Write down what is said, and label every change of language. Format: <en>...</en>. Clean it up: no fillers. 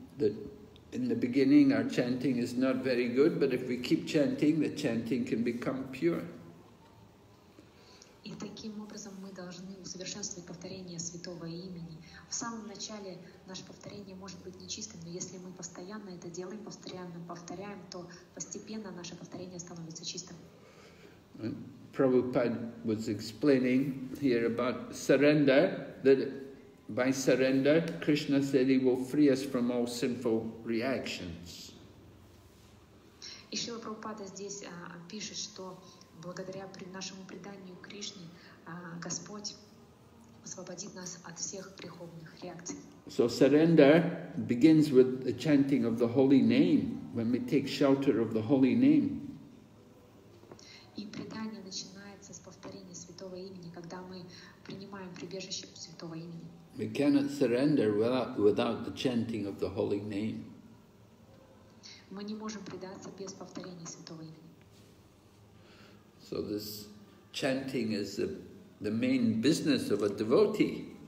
<en>That in the beginning our chanting is not very good, but if we keep chanting, the chanting can become pure.</en> <ru>И таким образом мы должны усовершенствовать повторение святого имени. В самом начале наше повторение может быть нечистым, но если мы постоянно это делаем, постоянно повторяем, то постепенно наше повторение становится чистым.</ru> <en>Prabhupada was explaining here about surrender, that by surrender, Krishna said he will free us from all sinful reactions.</en> <ru>И Шрила Прабхупада здесь пишет, что благодаря нашему преданию Кришне, Господь освободит нас от всех греховных реакций.</ru> <en>So surrender begins with the chanting of the holy name, when we take shelter of the holy name.</en> <ru>И предание начинается с повторения святого имени, когда мы принимаем прибежище у святого имени.</ru> <en>We cannot surrender without the chanting of the holy name.</en> <ru>Мы не можем предаться без повторения святого имени.</ru> <en>So this chanting is the main business of a devotee.</en>